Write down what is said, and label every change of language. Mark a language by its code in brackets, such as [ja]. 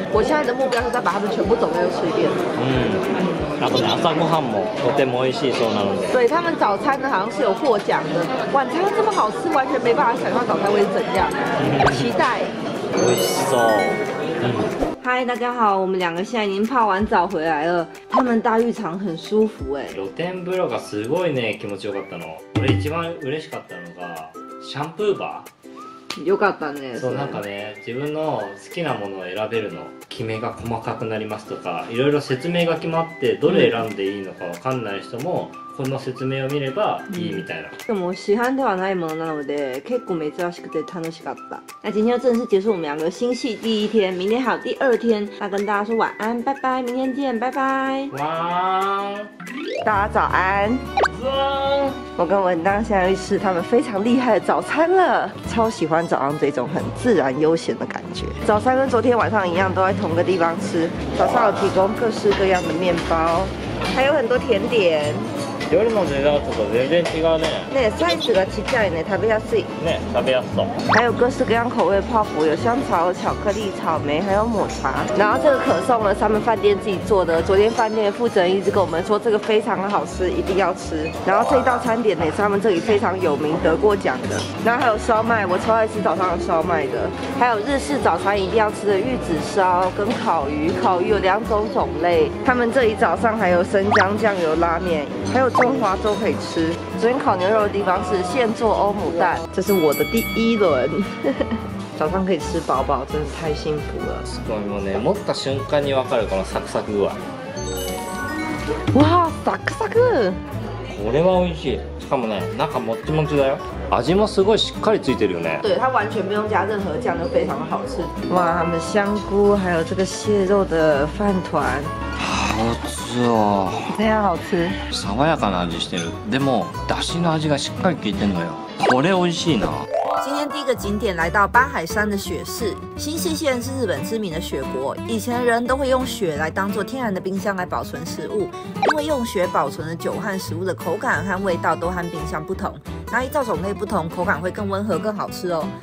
[zh] 我现在的目标是再把他们全部种类都吃一遍。嗯。然后呢， [ja] 朝ごはんもとても美味しいそうなので。 [zh] 对，他们早餐呢好像是有获奖的。晚餐这么好吃，完全没办法想象早餐会是怎样。期待。 [ja] 美味しそう。嗯。 [zh] 嗨，大家好，我们两个现在已经泡完澡回来了。他们大浴场很舒服哎。 [ja] 露天風呂がすごいね、気持ちよかったの。俺一番嬉しかったのがシャンプーバー。よかったね。そうなんかね、自分の好きなものを選べるの、キメが細かくなりますとか、いろいろ説明が決まってどれ選んでいいのかわかんない人も。この説明を見ればいいみたいな。でも市販ではないものなので、結構珍しくて楽しかった。 [zh] 那今天就正式结束我们两个新戏第一天，明天还有第二天。那跟大家说晚安，拜拜，明天见，拜拜。晚安，大家早安。我跟文当现在去吃他们非常厉害的早餐了，超喜欢早上这种很自然悠闲的感觉。早餐跟昨天晚上一样，都在同个地方吃。早上有提供各式各样的面包，还有很多甜点。 [ja] 夜のデザートと全然違うね。ね、サイズが小さいね、食べやすい。ね、食べやすそう。 [zh] 还有各式各样口味泡芙，有香草、巧克力、草莓，还有抹茶。然后这个可颂呢，他们饭店自己做的。昨天饭店的负责人一直跟我们说，这个非常好吃，一定要吃。然后这一道餐点呢，是他们这里非常有名、得过奖的。然后还有烧麦，我超爱吃早上的烧麦的。还有日式早餐一定要吃的玉子烧跟烤鱼，烤鱼有两种种类。他们这里早上还有生姜酱油拉面，还有。中华粥可以吃。昨天烤牛肉的地方是现做欧姆蛋，这是我的第一轮。早上可以吃饱饱，真的太幸福了。 [ja] すごいもうね、持った瞬間にわかるこのサクサク感。哇，サクサク。これは美味しい。しかもね、中もっちもちだよ。味もすごいしっかりついてるよね。 [zh] 对，它完全不用加任何酱，就非常的好吃。哇，他们香菇还有这个蟹肉的饭团。好吃哦！怎样好吃？ [ja] 爽やかな味してる。でも出汁の味がしっかり効いてんのよ。これ美味しいな。 [zh] 今天第一个景点来到八海山的雪市。新泻县是日本知名的雪国，以前人都会用雪来当作天然的冰箱来保存食物，因为用雪保存的酒和食物的口感和味道都和冰箱不同，那依照种类不同，口感会更温和、更好吃哦。